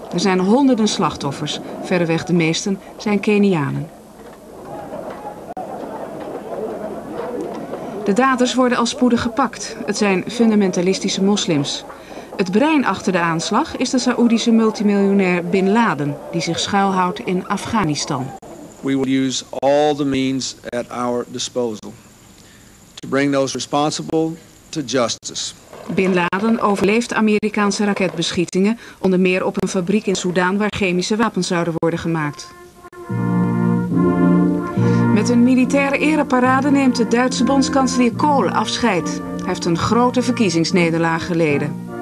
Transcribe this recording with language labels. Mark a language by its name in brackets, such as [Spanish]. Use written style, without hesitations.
[Dutch] Er zijn honderden slachtoffers. Verreweg de meesten zijn Kenianen. De daders worden al spoedig gepakt. Het zijn fundamentalistische moslims. Het brein achter de aanslag is de Saoedische multimiljonair Bin Laden, die zich schuilhoudt in Afghanistan. [English] We will use all the means at our disposal to bring those responsible to justice. [Dutch] Bin Laden overleeft Amerikaanse raketbeschietingen, onder meer op een fabriek in Soedan waar chemische wapens zouden worden gemaakt. Met een militaire ereparade neemt de Duitse bondskanselier Kohl afscheid. Hij heeft een grote verkiezingsnederlaag geleden.